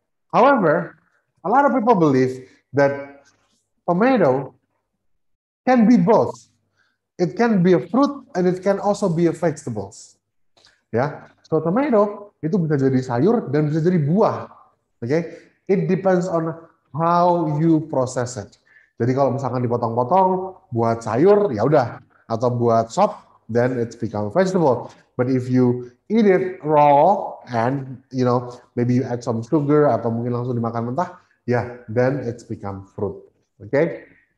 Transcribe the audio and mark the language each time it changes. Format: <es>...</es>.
<en>However, a lot of people believe that tomato can be both. It can be a fruit and it can also be a vegetables.</en> <id>Ya, so tomato itu bisa jadi sayur dan bisa jadi buah.</id> <en>Okay, it depends on how you process it.</en> <id>Jadi kalau misalkan dipotong-potong buat sayur, ya udah, atau buat sop,</id> <en>then it become vegetable. But if you eat it raw and you know maybe you add some sugar</en> <id>atau mungkin langsung dimakan mentah,</id> <en>yeah, then it become fruit. Okay.</en>